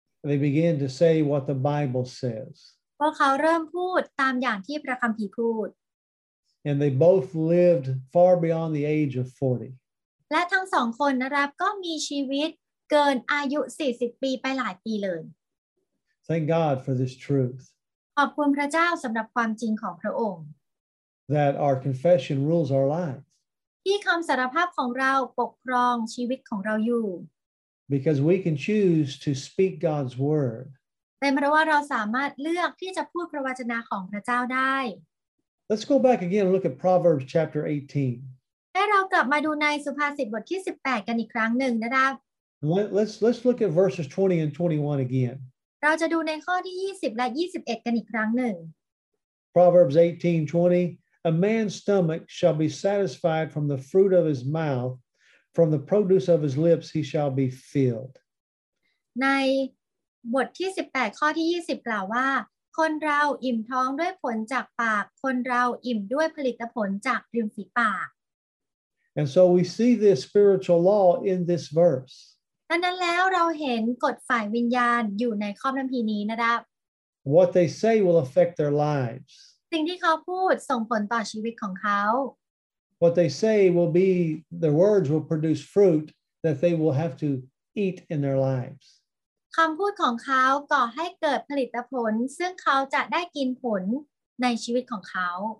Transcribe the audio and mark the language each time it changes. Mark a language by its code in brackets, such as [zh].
[en] They begin to say what the Bible says. [th] พวกเขาเริ่มพูดตามอย่างที่พระคัมภีร์พูด [en] And they both lived far beyond the age of 40 [th] และทั้งสองคนนะครับก็มีชีวิตเกินอายุ40ปีไปหลายปีเลย [en] Thank God for this truth [th] ขอบคุณพระเจ้าสำหรับความจริงของพระองค์ [en] That our confession rules our lives [th] ที่คำสารภาพของเราปกครองชีวิตของเราอยู่ [en] Because we can choose to speak God's word [th] เป็นเพราะว่าเราสามารถเลือกที่จะพูดพระวจนะของพระเจ้าได้ [en] Let's go back again and look at Proverbs chapter 18 [th] ให้เรากลับมาดูในสุภาษิตบทที่18กันอีกครั้งหนึ่งนะครับ [en] Let's look at verses 20 and 21 again [th] เราจะดูในข้อที่20และ21กันอีกครั้งหนึ่ง [en] Proverbs 18:20 A man's stomach shall be satisfied from the fruit of his mouth from the produce of his lips he shall be filled [th] ในบทที่18ข้อที่20กล่าวว่าคนเราอิ่มท้องด้วยผลจากปากคนเราอิ่มด้วยผลิตผลจากริมฝีปาก [en] And so we see this spiritual law in this verse [th] ดังนั้นแล้วเราเห็นกฎฝ่ายวิญญาณอยู่ในข้อพระคัมภีร์นี้นะครับ [en] What they say will affect their lives [th] สิ่งที่เขาพูดส่งผลต่อชีวิตของเขา [en] What they say will be their words will produce fruit that they will have to eat in their lives. [th] คำพูดของเขาก่อให้เกิดผลิตผลซึ่งเขาจะได้กินผลในชีวิตของเขา